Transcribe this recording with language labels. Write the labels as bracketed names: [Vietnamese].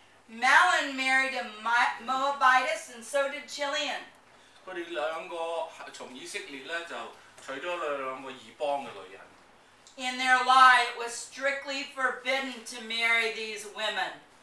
[English] Malon married a Moabitess and so did Chilion. [Chinese] 他们两个从以色列就娶了两个异邦的女人。 [English] In their law, it was strictly forbidden to marry these women.